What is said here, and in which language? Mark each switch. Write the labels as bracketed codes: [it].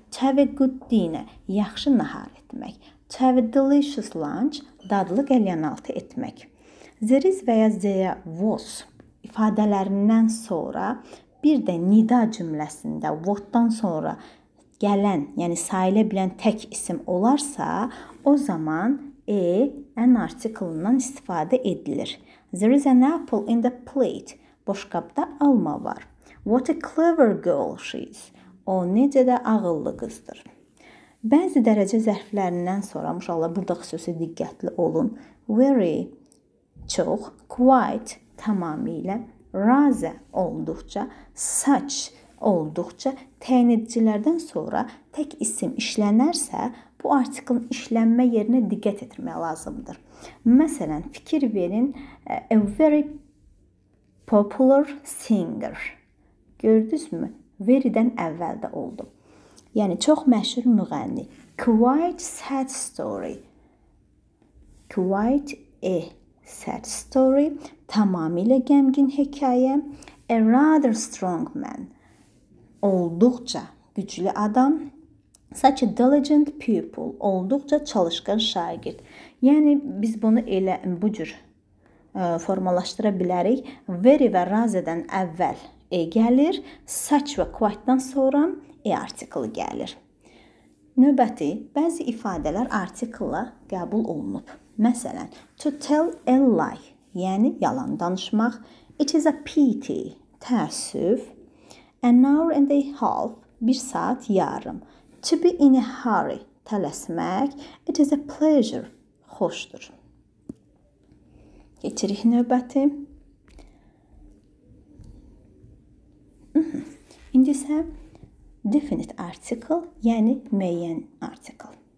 [en] To have a good dinner, [az] yaxşı nahar etmək. [en] To have a delicious lunch, [az] dadlı qəlyanaltı etmək. There is və ya there was ifadələrindən sonra bir də nida cümləsində what-dan sonra gələn, yəni sayılə bilən tək isim olarsa, o zaman A an article'ından istifade edilir. [en] There is an apple in the plate. [az] Boş kapta alma var. [en] What a clever girl she is. [az] O necə də ağıllı qızdır. Bəzi dərəcə zərflərindən sonra, inşallah burada xüsusi diqqətli olun. Very, çox, quite, tamamilə, rather, olduqca, such, olduqca, təyin edicilərdən sonra tək isim işlənərsə, bu artiklin işlənmə yerinə diqqət etmək lazımdır. Məsələn, fikir verin, [en] a very popular singer. [az] Gördünüz mü? Very-dən əvvəldə oldu. Yəni, çox məşhur müğənni. [en] Quite sad story. Quite a sad story. [az] Tamamilə gəmgin hekayə. [en] A rather strong man. [az] Olduqca güclü adam. [en] Such a diligent pupil. [az] Olduqca çalışqan şagird. Yəni, biz bunu elə bu cür formalaşdıra bilərik. Very və rather-dən əvvəl e gəlir. Such və quite-dən sonra e artikli gəlir. Növbəti, bəzi ifadələr artikla qəbul olunub. Məsələn, [en] to tell a lie, [az] yəni yalan danışmaq. [en] It is a pity, təəssüf. An hour and a half, [az] bir saat yarım. [en] To be in a hurry, tələsmək. It is a pleasure, xoşdur. [az] Geçirik növbəti. İndi isə definite article, yəni müəyyən article.